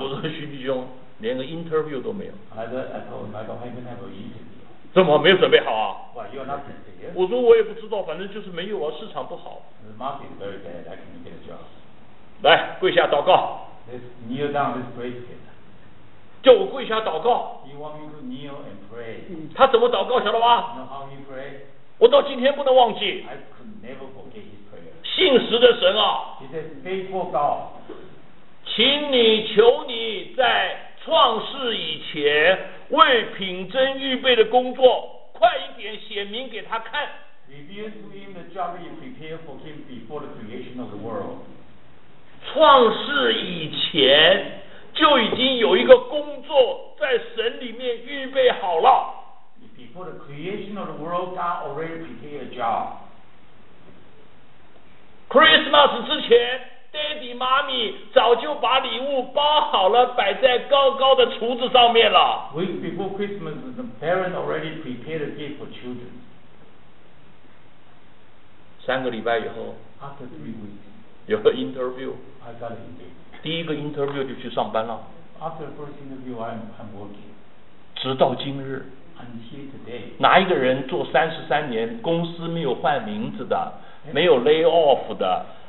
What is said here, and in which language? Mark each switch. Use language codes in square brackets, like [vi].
[zh] 我说徐弟兄，连个 interview 都没有。 [en] I don't have an interview。 [zh] 怎么没有准备好啊？ [en] Well, you're not prepared. [zh] 我说我也不知道，反正就是没有啊，市场不好。 [en] The market is very bad. I can't get a job. [zh] 来，跪下祷告。 [en] Let's kneel down. Let's pray together. [zh] 叫我跪下祷告。 [en] You want me to kneel and pray? [zh] 他怎么祷告，晓得吗 [en] ？You know how he pray? [zh] 我到今天不能忘记。 [en] I could never forget his prayer. [zh] 信实的神啊 [en] ！He says, "Faithful God, [zh] 请你求你在创世以前。为品真预备的工作，快一点显明给他看。 [en] Reveal to him the job you prepare for him before the creation of the world。 [zh] 创世以前就已经有一个工作在神里面预备好了。 [en] Before the creation of the world, God already prepared a job。 [zh] Christmas 之前 ，Daddy 妈咪早就把礼物包好了，摆在高高的橱子上面了。 [en] Week before Christmas, the parents already prepared a gift for children. [zh] 三个礼拜以后 [en] ，After three weeks, [zh] 有个 interview. [en] I got an interview. [zh] 第一个 interview 就去上班了。 [en] After the first interview, I'm working. [zh] 直到今日 [en] ，Until today. [zh] 哪一个人做33年，公司没有换名字的，没有 lay off 的？